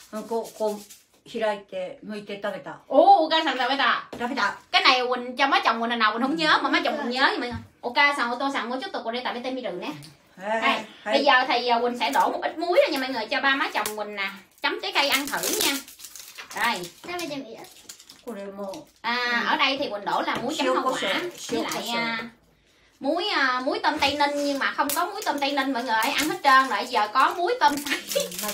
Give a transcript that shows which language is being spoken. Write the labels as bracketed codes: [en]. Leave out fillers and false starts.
[vi] Ừ, cô [ja] 開いて剥いて食べた。おお、お母さん食べた。食べた。 [vi] cái này mình cho má chồng mình nào mình không nhớ mà má chồng mình nhớ thì mình. [ja] お母さん、お父さん、もうちょっとこれ食べてみるね。はい。 [vi] bây giờ thì mình sẽ đổ một ít muối ra nha mọi người cho ba má chồng mình nè chấm trái cây ăn thử nha. Đây. Sao vậy chị? [ja] これも。 [vi] à ở đây thì mình đổ là muối chấm hoa quả với lại muối muối tôm Tây Ninh nhưng mà không có muối tôm Tây Ninh mọi người ăn hết trơn rồi giờ có muối tôm sấy.